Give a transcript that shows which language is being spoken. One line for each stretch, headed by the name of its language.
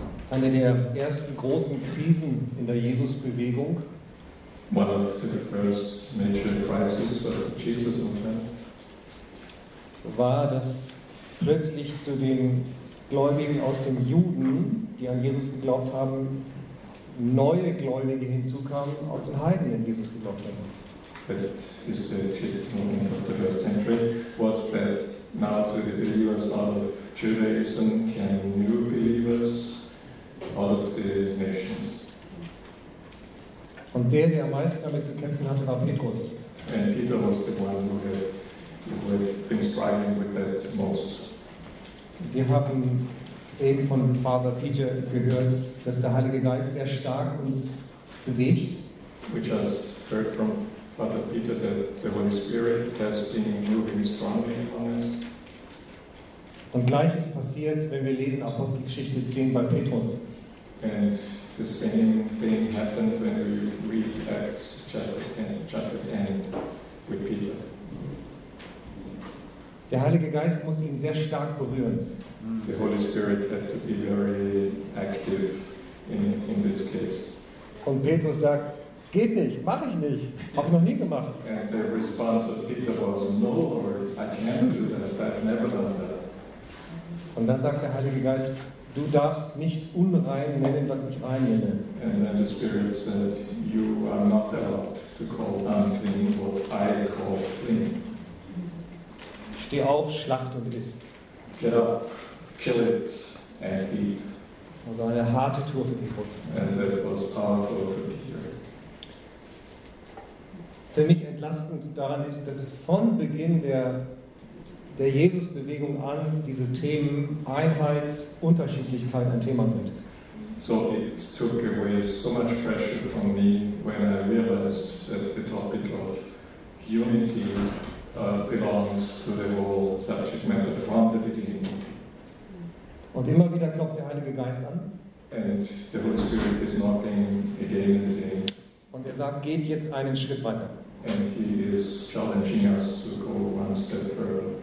German: Eine der ersten großen Krisen in der Jesusbewegung.
English: One of the first major crises of Jesus movement.
German: War, dass plötzlich zu den Gläubigen aus dem Juden, die an Jesus geglaubt haben, neue Gläubige hinzukamen aus den Heiden, die an Jesus geglaubt haben.
English: That is the Jesus movement of the first century. Was that now to the believers out of Judaism came new believers? Out of the nations.
German: Und der, der am meisten damit zu kämpfen hatte, war Petrus.
English: And Peter was the one who had been struggling with that most.
German: Wir haben eben von Father Peter gehört, dass der Heilige Geist sehr stark uns bewegt.
English: We just heard from Father Peter that the Holy Spirit has been moving strongly on us.
German: Und gleiches passiert, wenn wir lesen Apostelgeschichte 10 bei Petrus.
English: And the same thing happened when we read Acts chapter 10 with Peter.
German: Der Heilige Geist muss ihn sehr stark berühren.
English: The Holy Spirit had to be very active in this case.
German: Und Petrus sagt, geht nicht, mach ich nicht, hab ich noch nie gemacht.
English: And the response of Peter was, no Lord, I can't do that, I've never done that.
German: Und dann sagt der Heilige Geist, du darfst nicht unrein nennen, was ich rein nenne.
English: And then the Spirit said, you are not allowed to call unclean what I call clean.
German: Steh auf, schlacht und iss.
English: Get up, kill it and eat.
German: Das war eine harte Tour für Petrus.
English: And that was powerful for Peter.
German: Für mich entlastend daran ist, dass von Beginn der Jesus-Bewegung an, diese Themen Einheit, Unterschiedlichkeit ein Thema sind.
English: So it took away so much pressure from me when I realized that the topic of unity belongs to the whole subject matter from the beginning.
German: Und immer wieder klopft der Heilige Geist an.
English: And the Holy Spirit is knocking again and again.
German: Und er sagt, geht jetzt einen Schritt weiter.
English: And he is challenging us to go one step further.